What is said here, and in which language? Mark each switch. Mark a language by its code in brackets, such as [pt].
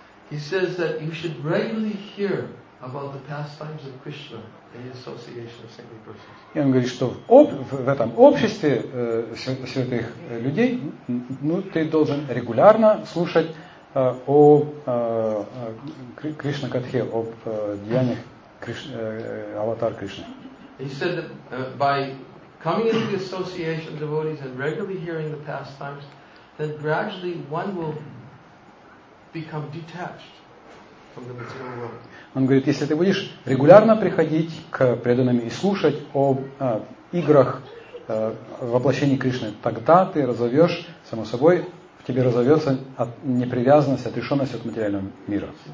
[en] He says that you should regularly hear about the pastimes of Krishna in the association of saintly persons. [ru] И он говорит, что в этом обществе святых людей ну, ты должен регулярно слушать о Кришна Катхе, об деяниях аватар Кришны. [en] He said that by coming into the association of devotees and regularly hearing the pastimes, that gradually one will become detached from the material world. [ru] Он говорит, если ты будешь регулярно приходить к преданным и слушать о играх воплощении Кришны, тогда ты разовьешь само собой тебе разовьется от непривязанность, отрешенность от материального мира.